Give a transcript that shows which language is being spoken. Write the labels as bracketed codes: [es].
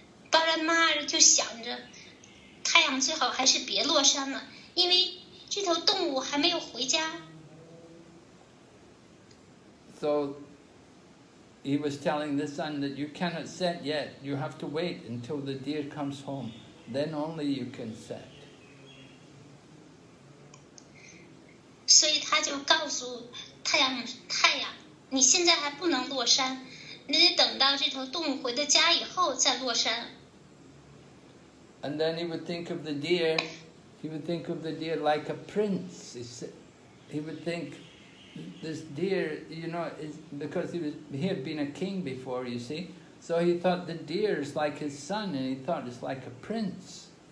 [zh] Bharat Maharaj 就想着，太阳最好还是别落山了，因为这头动物还没有回家。 [en] So he was telling the sun that you cannot set yet. You have to wait until the deer comes home. Then only you can set. [zh] 所以他就告诉太阳，你现在还不能落山，你得等到这头动物回到家以后再落山。 [en] And then he would think of the deer, he would think of the deer like a prince. He would think this deer, you know, is because he had been a king before, you see, So he thought the deer is like his son, and he thought it's like a prince.